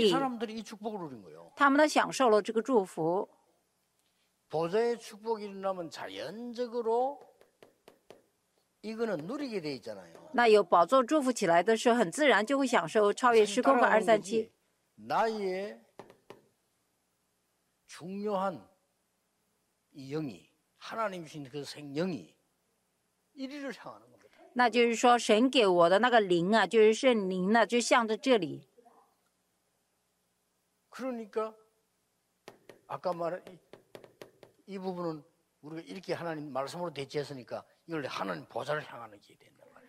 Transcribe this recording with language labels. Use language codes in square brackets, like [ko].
[zh] 因为有这样的人呢，其实我们担心是钱的问题嘛，但是呢，保罗这一听呢，要绝对不担心呐。那套句诗上的话，哪有人呢比他们赚的钱多啊？保罗所走的地方呢，他们在后面都支援了，甚至把景象支持度外。这句话就代表了信心归信心呢，但是他们有那个能力。他们呢享受了这个祝福。 [ko] 보좌의 축복이 일어나면 자연적으로 이거는 누리게 돼 있잖아요. [zh] 那有宝座祝福起来的时候，很自然就会享受超越时空和237。 [ko] 나의 중요한 이 영이 하나님이신 그 생명이 이리를 향하는 겁니다. [zh] 那就是说神给我的那个灵啊，就是圣灵呢，就向着这里。 [ko] 그러니까 아까 말 이 부분은 우리가 이렇게 하나님 말씀으로 대체했으니까 이걸 하나님 보좌를 향하는 길이 된다.